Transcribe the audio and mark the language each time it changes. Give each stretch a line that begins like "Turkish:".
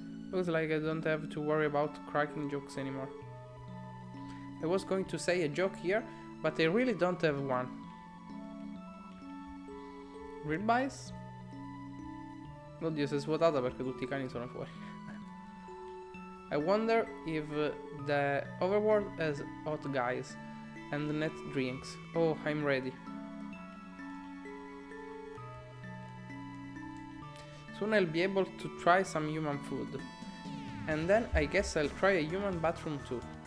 English: Looks like I don't have to worry about cracking jokes anymore. I was going to say a joke here, but I really don't have one. Real bias?
Italian: Oddio, si è svuotata perché tutti i cani sono fuori.
English: I wonder if the overworld has hot guys and net drinks. Oh, I'm ready. Soon I'll be able to try some human food. And then I guess I'll try a human bathroom too.